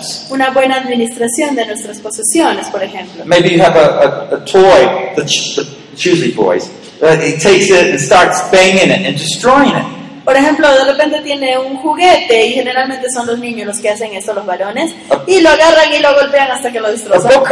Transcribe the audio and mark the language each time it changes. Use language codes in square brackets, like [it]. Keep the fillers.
[es] Una buena administración de nuestras posesiones, por ejemplo. [en] Maybe you have a, a, a toy, the ch the uh, it takes it and starts banging it and destroying it. [es] Por ejemplo, de repente tiene un juguete y generalmente son los niños los que hacen eso, los varones, y lo agarran y lo golpean hasta que lo destrozan.